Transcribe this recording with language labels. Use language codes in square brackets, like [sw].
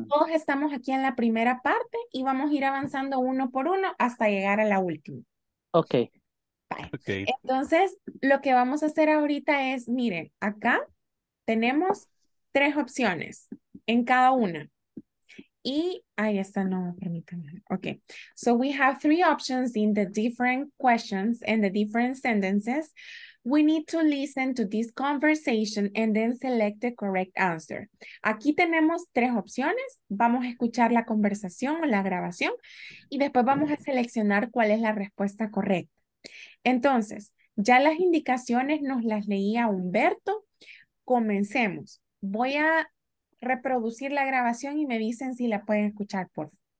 [es] todos estamos aquí en la primera parte y vamos a ir avanzando uno por uno hasta llegar a la última. [en] Okay. [es] Vale. [en] Okay. [es] Entonces, lo que vamos a hacer ahorita es, miren, acá tenemos tres opciones en cada una. Y ahí está, no, permítanme. Ok. [en] So we have three options in the different questions and the different sentences. We need to listen to this conversation and then select the correct answer. [es] Aquí tenemos tres opciones. Vamos a escuchar la conversación o la grabación y después vamos a seleccionar cuál es la respuesta correcta. Entonces, ya las indicaciones nos las leía Humberto. Comencemos. Voy a reproducir la grabación y me dicen si la pueden escuchar, por favor.